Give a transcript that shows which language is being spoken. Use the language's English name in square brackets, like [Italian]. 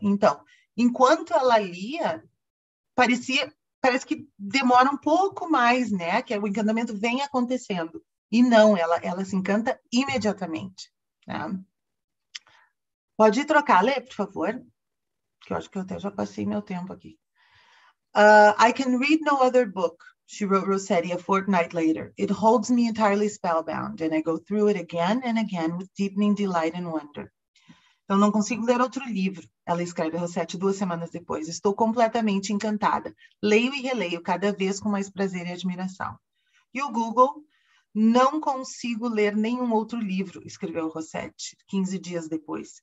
[Portuguese] Então, enquanto ela lia, parece que demora um pouco mais, né? Que o encantamento vem acontecendo. E não, ela se encanta imediatamente, né? Pode trocar, Lê, por favor. Que eu acho que eu até já passei meu tempo aqui. [English] I can read no other book, she wrote Rossetti a fortnight later. It holds me entirely spellbound, and I go through it again and again with deepening delight and wonder. [Portuguese] Eu não consigo ler outro livro, ela escreve a Rosette 2 semanas depois. Estou completamente encantada. Leio e releio, cada vez com mais prazer e admiração. E o Google? Não consigo ler nenhum outro livro, escreveu Rosette 15 dias depois.